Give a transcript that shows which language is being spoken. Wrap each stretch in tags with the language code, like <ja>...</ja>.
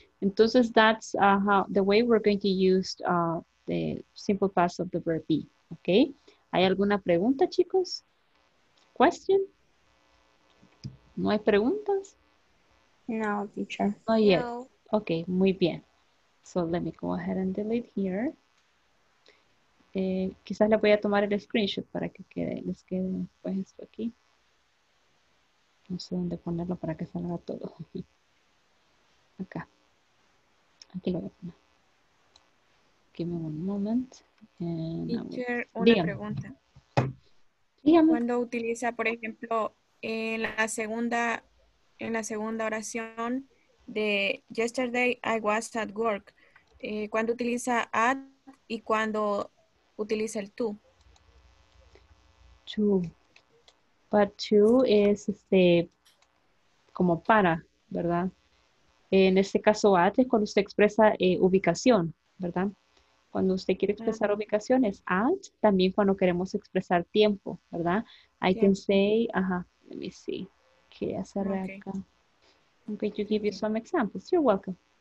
<en>Entonces, that's how the way we're going to use the simple past of the verb be, okay?</en> <es>¿Hay alguna pregunta, chicos? Question? ¿No hay preguntas?</es> <en>No, teacher. Not yet. No. Okay,</en> <es>muy bien.</es> <en>So let me go ahead and delete here.</en> <es>Quizás le voy a tomar el screenshot para que quede, les quede pues esto aquí. No sé dónde ponerlo para que salga todo. Acá. Aquí lo voy a poner.</es> <en>Give me one moment.</en> <es>Teacher, una dígame. Pregunta. Dígame. Cuando utiliza, por ejemplo, en la segunda oración de yesterday I was at work, ¿cuándo utiliza at y cuándo utiliza el to? To. But to es como para, ¿verdad? En este caso, at es cuando usted expresa ubicación, ¿verdad? Cuando usted quiere expresar ubicaciones, at, también cuando queremos expresar tiempo, ¿verdad?</es> <en>I can say, let me see,</en> <es>¿qué hacer acá?</es> <en>Okay, to give you some examples, you're welcome.</en>